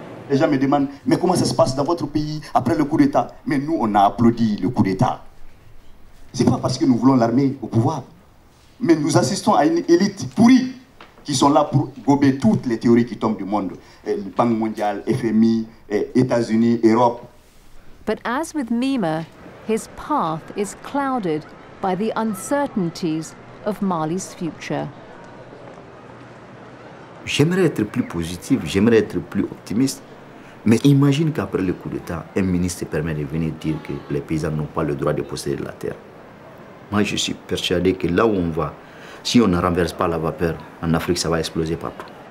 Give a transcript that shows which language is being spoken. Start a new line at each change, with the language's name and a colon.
French: Les gens me demandent, mais comment ça se passe dans votre pays après le coup d'État? Mais nous, on a applaudi le coup d'État. C'est pas parce que nous voulons l'armée au pouvoir, mais nous assistons à une élite pourrie qui sont là pour gober toutes les théories qui tombent du monde, la Banque mondiale, FMI, États-Unis, Europe.
English: But as with Mima, his path is clouded by the uncertainties of Mali's future.
French: J'aimerais être plus positif, j'aimerais être plus optimiste, mais imagine qu'après le coup d'État, un ministre permet de venir dire que les paysans n'ont pas le droit de posséder la terre. Moi, je suis persuadé que là où on va, si on ne renverse pas la vapeur, en Afrique, ça va exploser partout.